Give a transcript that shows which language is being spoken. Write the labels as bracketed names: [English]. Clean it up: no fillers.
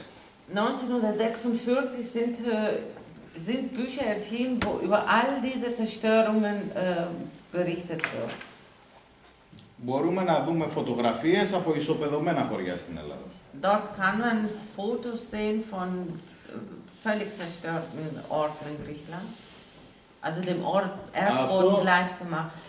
[German] 1946 sind Bücher erschienen, wo über all diese Zerstörungen berichtet wird. [Greek] Μπορούμε να δούμε φωτογραφίες από ισοπεδωμένα χωριά στην Ελλάδα. [German] Dort kann man Fotos sehen von völlig zerstörten Orten in Griechenland. Also dem Ort Erdboden gleich gemacht.